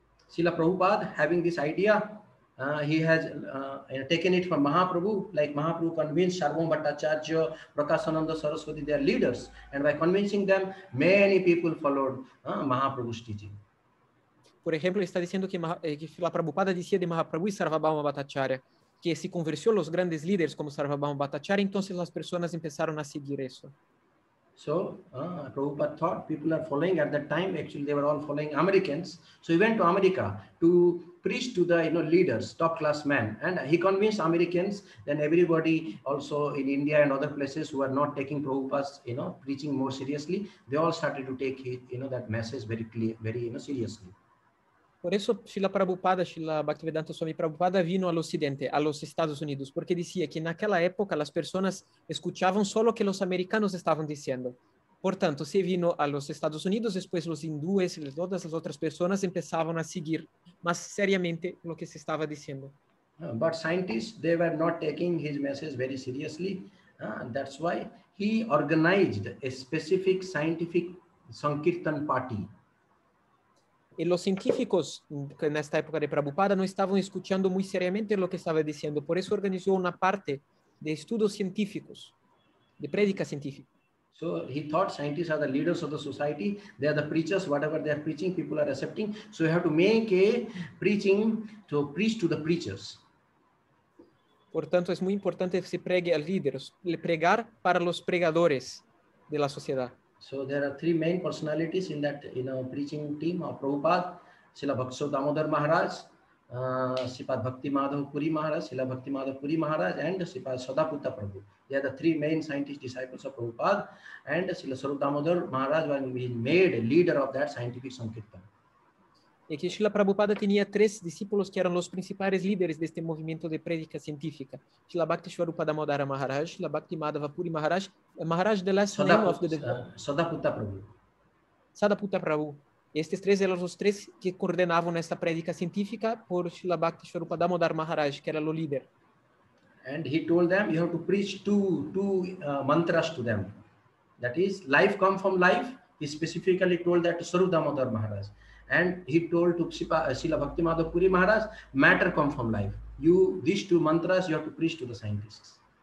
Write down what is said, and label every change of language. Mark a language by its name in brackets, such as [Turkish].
[English] Srila Prabhupada, having this idea, he has taken it from Mahaprabhu, like Mahaprabhu convinced Sarvam Bhattacharya, Prakasananda Saraswati, their leaders, and by convincing them, many people followed Mahaprabhu's teaching. [Spanish] Por ejemplo, está diciendo que Srila Prabhupada decía de Mahaprabhu y Sarvabhauma Bhattacharya, que si convirtió los grandes líderes como Sarvabhauma Bhattacharya, entonces las personas empezaron a seguir eso. [English] So, Prabhupada thought people are following. At that time, actually, they were all following Americans. So he went to America to preach to the, you know, leaders, top class men. And he convinced Americans, then everybody also in India and other places who are not taking Prabhupada's, you know, preaching more seriously, they all started to take, you know, that message very clear, very, you know, seriously. [Spanish] Por eso Srila Prabhupada, Srila Bhaktivedanta Swami Prabhupada vino al occidente, a los Estados Unidos, porque decía que en aquella época las personas escuchaban solo que los americanos estaban diciendo. Por tanto, si vino a los Estados Unidos, después los hindúes y todas las otras personas empezaban a seguir más seriamente lo que se estaba diciendo. [English] But scientists, they were not taking his message very seriously. That's why he organized a specific scientific Sankirtan party. [Spanish] Y los científicos en esta época de Prabhupada no estaban escuchando muy seriamente lo que estaba diciendo. Por eso organizó una parte de estudios científicos, de prédica científica. [English] So he thought scientists are the leaders of the society. They are the preachers. Whatever they are preaching, people are accepting. So you have to make a preaching to preach to the preachers. [Spanish] Por tanto, es muy importante que se pregue a líderes, pregar para los pregadores de la sociedad. [English] So there are three main personalities in that, you know, preaching team of Prabhupada, Srila Bhaktisiddhanta Damodar Maharaj, Sripad Bhakti Madhav Puri Maharaj, Srila Bhakti Madhav Puri Maharaj, and Sripad Sadaputta Prabhu. They are the three main scientist disciples of Prabhupada, and Srila Sarup Damodar Maharaj was made leader of that scientific Sankirtan. [Spanish] Y que Srila Prabhupada tenía tres discípulos que eran los principales líderes de este movimiento de prédica científica. Srila Bhakti Swarupa Damodara Maharaj, Srila Bhakti Madhava Puri Maharaj, Maharaj de last [English] Sadaputta, name of the devil. Sadaputta Prabhu. Sadaputta Prabhu. [Spanish] Estos tres eran los tres que coordinaban esta prédica científica por Srila Bhakti Swarupa Damodara Maharaj, que era el líder. [English] And he told them, you have to preach two mantras to them. That is, life come from life. He specifically told that to Swarupa Damodara Maharaj. And he told to Srila Bhakti Madhav Puri Maharaj, matter come from life. These two mantras you have to preach to the scientists.